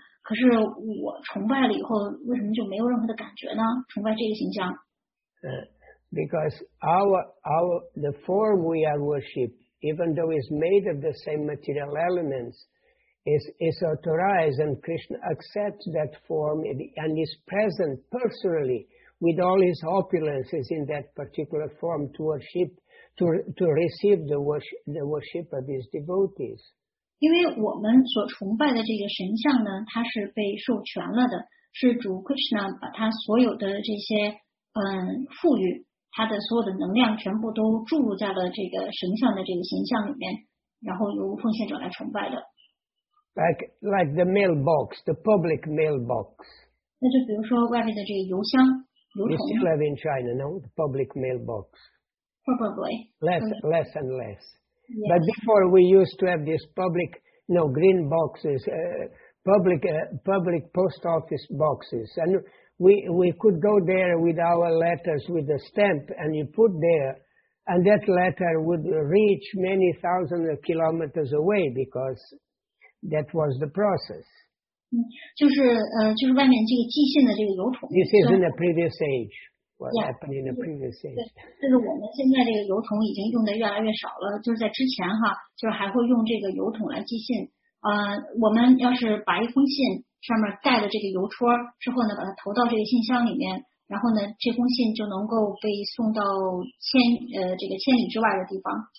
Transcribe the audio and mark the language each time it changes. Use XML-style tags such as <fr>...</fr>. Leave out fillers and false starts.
<zh>可是我崇拜了以后，为什么就没有任何的感觉呢？崇拜这个形象。</zh> <en>Because the form we are worshiped, even though it's made of the same material elements, is authorized, and Krishna accepts that form and is present personally with all his opulences in that particular form to worship, to receive the worship of his devotees.</en> <zh>因为我们所崇拜的这个神像呢，它是被授权了的，是主 Krishna 把他所有的这些赋予，他的所有的能量全部都注入在了这个神像的这个形象里面，然后由奉献者来崇拜的。</zh> <en>Like the mailbox, the public mailbox.</en> <zh>那就比如说外面的这个邮箱、邮筒。</zh> <en>You still have in China, no? The public mailbox. Probably. Less and less. Yes. But before we used to have these public, no, green boxes, public post office boxes. And we could go there with our letters with a stamp and you put there, and that letter would reach many thousands of kilometers away because that was the process.</en> <zh>就是外面这个寄信的这个邮筒。</zh> <en>This is in a previous age. What happened in the previous age?</en> <zh>对，就是我们现在这个邮筒已经用的越来越少了。就是在之前哈，就是还会用这个邮筒来寄信。我们要是把一封信上面盖了这个邮戳之后呢，把它投到这个信箱里面，然后呢，这封信就能够被送到千里之外的地方。</zh>